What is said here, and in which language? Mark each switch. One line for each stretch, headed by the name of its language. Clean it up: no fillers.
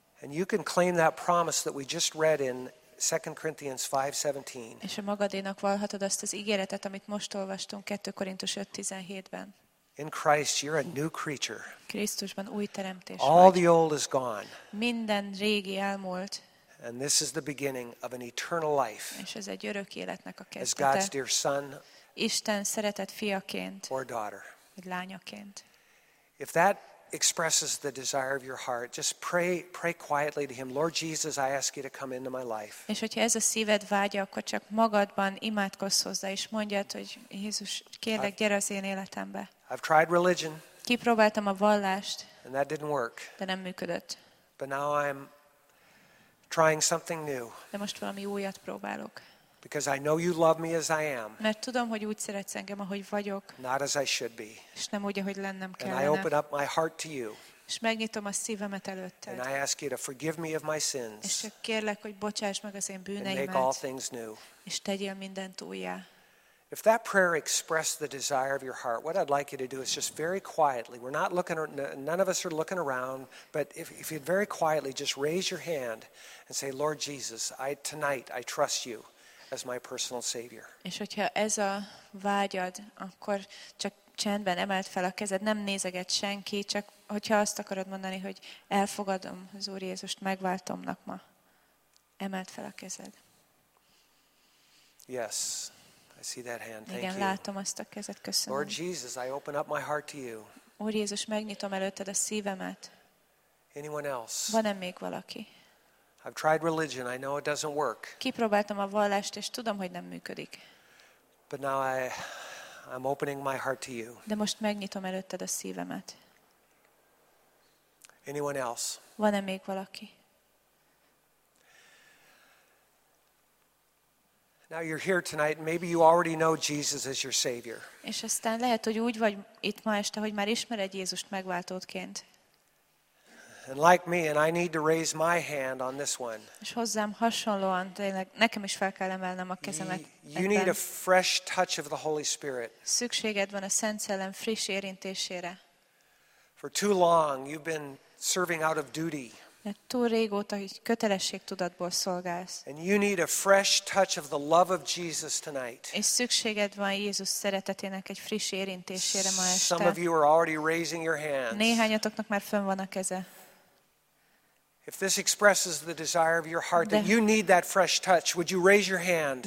English: And you can claim that promise that we just read in 2 Corinthians 5:17.
Hungarian: És a magadénak vallhatod azt az ígéretet, amit most olvastunk 2 Korintus 5:17-ben.
English: In Christ you're a new creature.
Hungarian: Krisztusban új teremtés vagy.
English: All the old is gone.
Hungarian: Minden régi elmúlt.
English: And this is the beginning of an eternal life.
Hungarian: És ez egy örök életnek a kezdete.
English: As God's dear son.
Hungarian: Isten szeretett fiaként.
English: Or daughter.
Hungarian: Vagy lányaként.
English: If that expresses the desire of your heart, just pray quietly to him. Lord Jesus, I ask you to come into my life.
Hungarian: És hogyha ez a szíved vágya, akkor csak magadban imádkozz hozzá, és mondjad, hogy Jézus, kérlek, gyere az én életembe.
English: I've tried religion.
Hungarian: Kipróbáltam a vallást.
English: And that didn't work.
Hungarian: De nem működött.
English: But now I'm trying something new.
Hungarian: De most valami újat próbálok.
English: Because I know you love me as I am.
Hungarian: Mert tudom, hogy úgy szeretsz engem, ahogy vagyok.
English: Not as I should be.
Hungarian: És nem úgy, ahogy lennem kellene.
English: And I open up my heart to you.
Hungarian: És megnyitom a szívemet előtted.
English: And I ask you to forgive me of my sins.
Hungarian: És csak kérlek, hogy bocsáss meg az én bűneimet.
English: And make all things new.
Hungarian: És tegyél mindent újjá.
English: If that prayer expressed the desire of your heart, what I'd like you to do is just very quietly. We're not looking, none of us are looking around, but if you'd very quietly just raise your hand and say, Lord Jesus, tonight I trust you. As my personal savior.
Hungarian: És hogyha ez a vágyad, akkor csak csendben emeld fel a kezed, nem nézeget senki, csak hogyha azt akarod mondani, hogy elfogadom az Úr Jézust megváltomnak ma. Emeld fel a kezed.
English: Yes. I see that hand. Thank
Hungarian: Igen,
English: you.
Hungarian: Látom azt a kezed. Köszönöm.
English: Lord Jesus, I open up my heart to you.
Hungarian: Úr Jézus, megnyitom előtted a szívemet.
English: Anyone else?
Hungarian: Van-e még valaki?
English: I've tried religion. I know it doesn't work.
Hungarian: Kipróbáltam a vallást, és tudom, hogy nem működik.
English: But now I'm opening my heart to you.
Hungarian: De most megnyitom előtted a szívemet.
English: Anyone else?
Hungarian: Van-e még valaki?
English: Now you're here tonight, maybe you already know Jesus as your savior.
Hungarian: És aztán lehet, hogy úgy vagy itt ma este, hogy már ismered Jézust megváltódként.
English: And like me, and I need to raise my hand on this one.
Hungarian: És hozzám hasonlóan, tényleg nekem is fel kell emelnem a kezemet.
English: You need a fresh touch of the Holy Spirit.
Hungarian: Szükséged van a Szent Szellem friss érintésére.
English: For too long you've been serving out of duty.
Hungarian: Mert túl régóta kötelességtudatból szolgálsz.
English: And you need a fresh touch of the love of Jesus tonight.
Hungarian: És szükséged van Jézus szeretetének egy friss érintésére ma este.
English: Some of you are already raising your hands.
Hungarian: Néhányatoknak már fönn van a keze.
English: If this expresses the desire of your heart that you need that fresh touch, would you raise your hand?